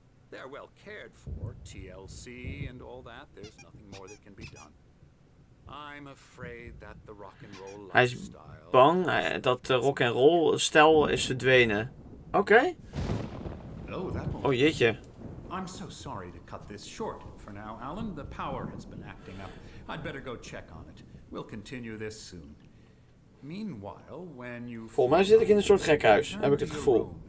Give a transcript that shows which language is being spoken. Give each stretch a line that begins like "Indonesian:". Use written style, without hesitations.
English: They're well cared for, TLC and all that. There's nothing more that can be done. I'm afraid that the rock and roll lifestyle.
Dutch: Hij is bang dat de rock and roll stijl is verdwenen. Oké. Okay. Oh jeetje.
English: I'm so sorry to cut this short. For now, Alan, the power has been acting up. I'd better go check on it. We'll continue this soon. Meanwhile, when you
Dutch: volgens mij zit ik in een soort gekhuis, heb ik het gevoel.